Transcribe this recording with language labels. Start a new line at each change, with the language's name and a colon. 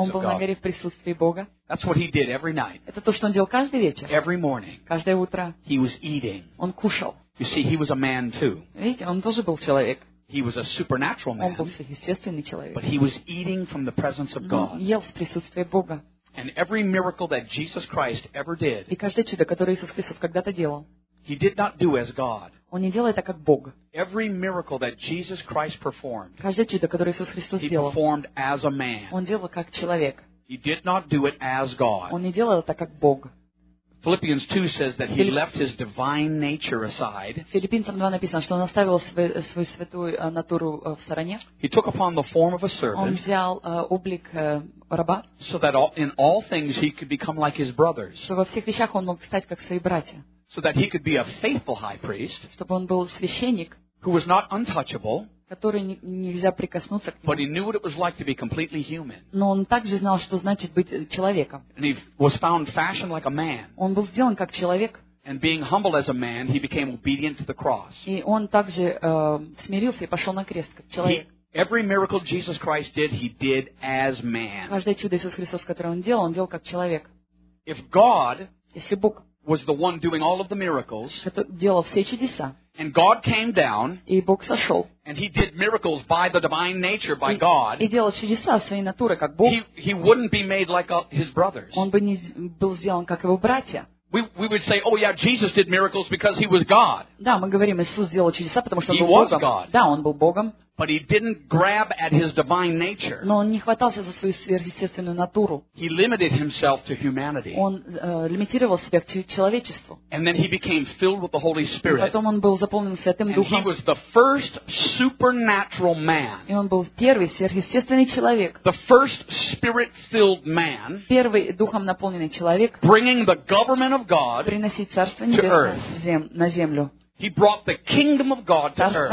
Russian: Он был на горе в присутствии Бога.
English: That's what he did every night.
Russian: Это то, что он делал каждый вечер.
English: Every morning.
Russian: Каждое утро.
English: He was eating.
Russian: Он кушал.
English: You see, he was a man too.
Russian: Видите, он тоже был человек.
English: He was a supernatural man.
Russian: Он был сверхъестественный человек.
English: But he was eating from the presence of God.
Russian: Ел с присутствия Бога.
English: And every miracle that Jesus Christ ever did.
Russian: И каждое чудо, которое Иисус Христос когда-то делал.
English: He did not do as God.
Russian: Он не делал это как Бог.
English: Every miracle that Jesus Christ performed.
Russian: Каждое чудо, которое Иисус Христос делал.
English: He performed as a man.
Russian: Он делал как человек.
English: He did not do it as God.
Russian: Он не делал это как Бог.
English: Philippians 2 says that he left his divine nature aside.
Russian: Филиппийцам 2 написано, что он оставил свою святую натуру в стороне.
English: He took upon the form of a servant.
Russian: Он взял облик раба.
English: So that in all things he could become like his brothers.
Russian: Чтобы во всех вещах он мог стать как свои братья.
English: So that he could be a faithful high priest.
Russian: Чтобы он был священник.
English: Who was not untouchable.
Russian: Который нельзя прикоснуться к нему.
English: But he knew what it was like to be completely human.
Russian: Но он также знал, что значит быть человеком.
English: And he was found fashioned like a man.
Russian: Он был сделан как человек.
English: And being humble as a man, he became obedient to the cross.
Russian: И он также смирился и пошел на крест как человек.
English: Every miracle Jesus Christ did, he did as man.
Russian: Каждое чудо Иисус Христос, которое он делал как человек.
English: If God,
Russian: если Бог,
English: was the one doing all of the miracles,
Russian: это делал все чудеса.
English: And God came down.
Russian: И Бог сошел.
English: And he did miracles by the divine nature, by God.
Russian: И делал чудеса своей натуры, как Бог.
English: He wouldn't be made like his brothers.
Russian: Он бы не был сделан как его братья.
English: We would say, oh yeah, Jesus did miracles because he was God.
Russian: Да, мы говорим, Иисус сделал чудеса, потому что он был Богом.
English: He was God.
Russian: Да, он был Богом.
English: But he didn't grab at his divine nature.
Russian: Но он не хватался за свою сверхъестественную натуру.
English: He limited himself to humanity.
Russian: Он лимитировал себя к человечеству.
English: And then he became filled with the Holy Spirit.
Russian: И потом он был заполнен Святым Духом.
English: And he was the first supernatural man.
Russian: И он был первый сверхъестественный человек.
English: The first spirit-filled man.
Russian: Первый духом наполненный человек.
English: Bringing the government of God.
Russian: Приносить Царство Небесное на землю.
English: He brought the kingdom of God to earth.